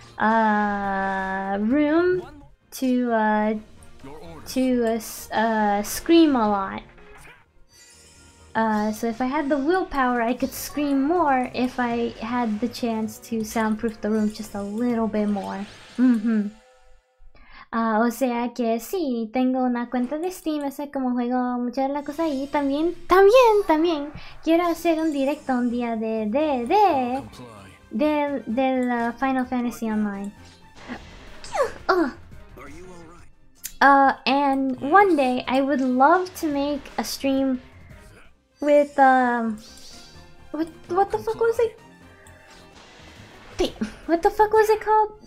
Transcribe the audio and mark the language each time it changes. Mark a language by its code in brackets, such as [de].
[en] room. To scream a lot. So if I had the willpower, I could scream more if I had the chance to soundproof the room just a little bit more. Mm-hmm. [es] O sea que sí, tengo una cuenta de Steam, así como juego muchas de las cosas ahí. También quiero hacer un directo un día de Final Fantasy Online. [en] And one day I would love to make a stream with what the fuck was it called?